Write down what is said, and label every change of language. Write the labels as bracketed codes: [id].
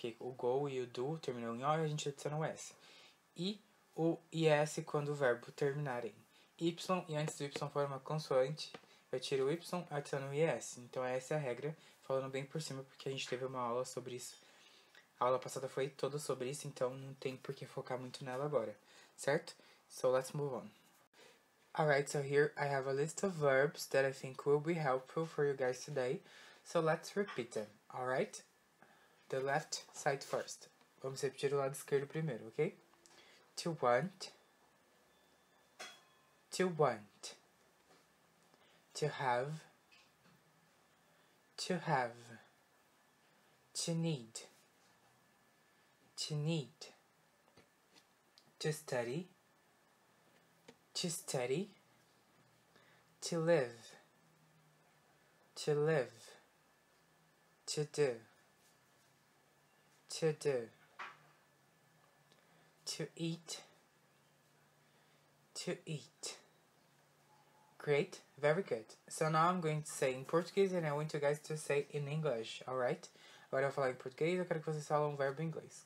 [pt] Porque o go e o do terminam em O e a gente adiciona o S. E o IS quando o verbo terminar em Y, e antes do Y forma consoante, eu tiro o Y, adiciono o IS. Então, essa é a regra, falando bem por cima, porque a gente teve uma aula sobre isso. A aula passada foi toda sobre isso, então não tem por que focar muito nela agora, certo? [en] So, let's move on. Alright, so here I have a list of verbs that I think will be helpful for you guys today. So, let's repeat them, alright? The left side first. [pt] Vamos repetir o lado esquerdo primeiro, [en] ok? To want, to want, to have, to need, to study, to live, to do, to eat, great, very good. So now I'm going to say in Portuguese and I want you guys to say in English, alright? [pt] Agora eu vou falar em português, eu quero que vocês falem um verbo em inglês.